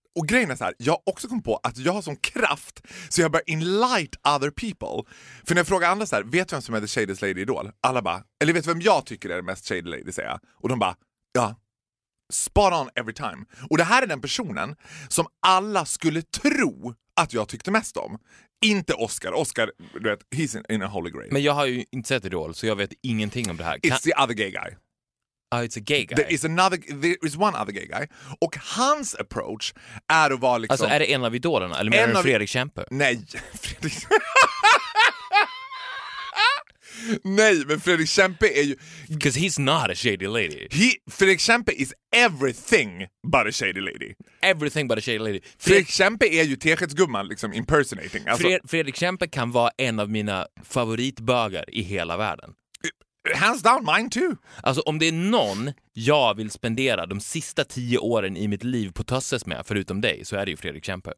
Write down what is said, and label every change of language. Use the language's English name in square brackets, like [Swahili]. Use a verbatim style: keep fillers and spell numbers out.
[Swedish] Och grejen är så här, jag har också kommit på att jag har sån kraft så jag börjar [English] enlight other people. [Swedish] För när jag frågar andra så här, vet du vem som är [English] the shadiest lady [Swedish] i Idol? Alla bara, eller vet vem jag tycker är the mest [English] shady lady, [Swedish] säger jag. Och de bara, ja. [English] Spot on every time. [Swedish] Och det här är den personen som alla skulle tro att jag tyckte mest om. Inte Oscar. Oscar, du vet, [English] he's in, in a holy grail. [Swedish] Men jag har ju inte sett Idol, så jag vet ingenting om det här. Kan... [English] It's the other gay guy. Ah, it's a gay guy. There is, another, there is one other gay guy. [Swedish] Och hans approach är att vara liksom... Alltså, är det en av idolerna? Eller menar du Fredrik Kempe? Nej, Fredrik... Nej, men Fredrik Kempe är ju... [English] Because he's not a shady lady. He, Fredrik Kempe is everything but a shady lady. Everything but a shady lady. Fred... [Swedish] Fredrik Kempe är ju teskedsgumman, liksom impersonating. Alltså... Fred... Fredrik Kempe kan vara en av mina favoritbögar i hela världen. [English] Hands down, mine too. [Swedish] Alltså om det är någon jag vill spendera de sista tio åren i mitt liv på Tösses med, förutom dig, så är det ju Fredrik Kempe.